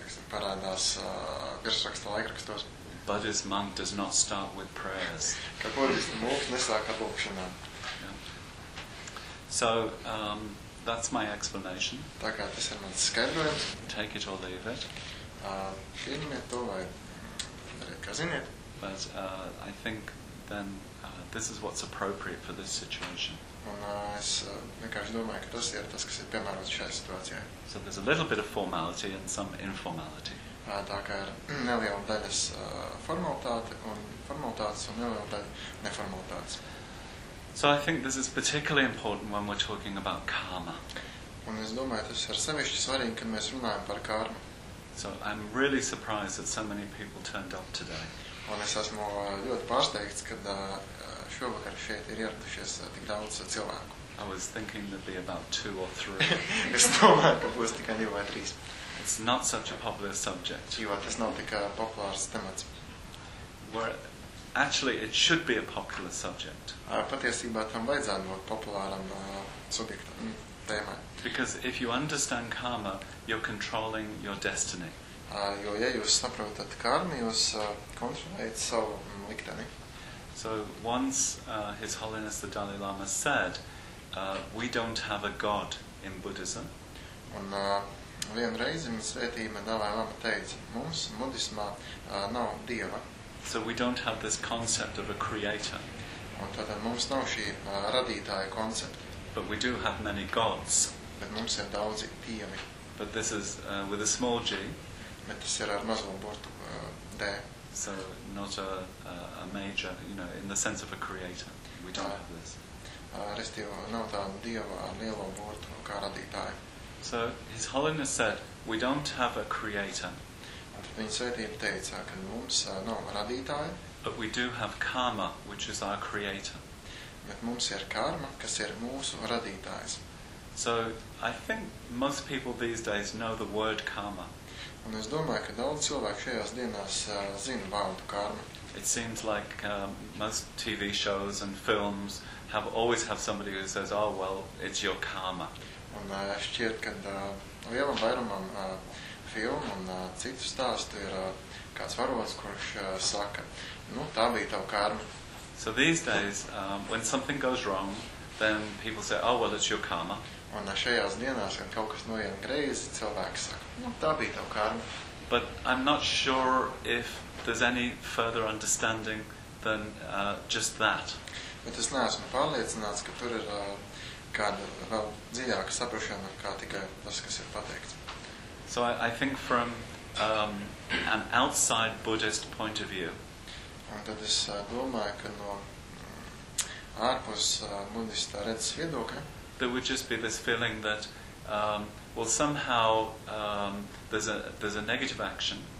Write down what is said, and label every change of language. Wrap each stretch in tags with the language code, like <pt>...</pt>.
<lv>Parādās virsrakstu laikrakstos.</lv> <en>Buddhist monk does not start with prayers.</en> <lv>Ka budista mūks nesāk ar lūkšanām.</lv> <en>So, that's my explanation.</en> <lv>Tā kā tas ir mans skaidrojums.</lv> <en>Take it or leave it.</en> <lv>Pieņemiet to vai darīt, kā ziniet.</lv> <en>But I think then this is what's appropriate for this situation.</en> <lv>Un es vienkārši domāju, ka tas ir tas, kas ir piemērots šajā situācijā.</lv> <en>So there's a little bit of formality and some informality.</en> <lv>Tā kā ir neliela daļas formalitātes un neliela daļa neformalitātes.</lv> <en>So I think this is particularly important when we're talking about karma.</en> <lv>Un es domāju, tas ir sevišķi svarīgi, kad mēs runājam par karmu.</lv> <en>So I'm really surprised that so many people turned up today.</en> <lv>Un es esmu ļoti pārsteigts, ka šovakar šeit ir ieradušies tik daudz cilvēku.</lv> <en>I was thinking there'd be about two or three.</en> <lv>Es domāju, ka būs tikai divi vai trīs.</lv> <en>It's not such a popular subject.</en> <lv>Jo, tas nav tik populārs temats.</lv> <en>Where, actually, it should be a popular subject.</en> <lv>Patiesībā tam vajadzētu būt populāram subjektam, tēmai.</lv> <en>Because if you understand karma, you're controlling your destiny.</en> <lv>Jo, ja jūs saprotat karmu, jūs kontrolējat savu likteni.</lv> <en>So once His Holiness the Dalai Lama said, we don't have a god in Buddhism.</en> <lv>Un vienreiz viņa svētība Dalai Lama teica, mums budismā nav dieva.</lv> <en>So we don't have this concept of a creator.</en> <lv>Un tad mums nav šī radītāja koncepta.</lv> <en>But we do have many gods.</en> <lv>Bet mums ir daudzi dievi.</lv> <en>But this is with a small g.</en> <lv>Bet tas ir ar mazo burtu d.</lv> <en>So not a major, you know, in the sense of a creator. We don't have this.</en> <lv>Restīvo nav tādu dievu ar lielo burtu kā radītāju.</lv> <en>So His Holiness said, we don't have a creator.</en> <lv>Viņa svētība teica, ka mums nav radītāja.</lv> <en>But we do have karma, which is our creator.</en> <lv>Bet mums ir karma, kas ir mūsu radītājs.</lv> <en>So, I think most people these days know the word karma.</en> <lv>Un es domāju, ka daudz cilvēku šajās dienās zina vārdu karma.</lv> <en>It seems like most TV shows and films have always have somebody who says, oh, well, it's your karma.</en> <lv>Un šķiet, ka lielam vairumam filmu un citu stāstu ir kāds varots, kurš saka, nu, tā bija tava karma.</lv> <en>So these days, when something goes wrong, then people say, oh, well, it's your karma.</en> <lv>Un šajās dienās, kad kaut kas noiet greizi, cilvēks saka, nu, tā bija tava karma.</lv> <en>But I'm not sure if there's any further understanding than just that.</en> <lv>Bet es neesmu pārliecināts, ka tur ir kāda vēl dziļāka saprašana, kā tikai tas, kas ir pateikts.</lv> <en>So I think from an outside Buddhist point of view.</en> <lv>Un tad es domāju, ka no ārpus budista redzes viedokļa.</lv> <en>There would just be this feeling that, well, somehow there's a negative action.</en>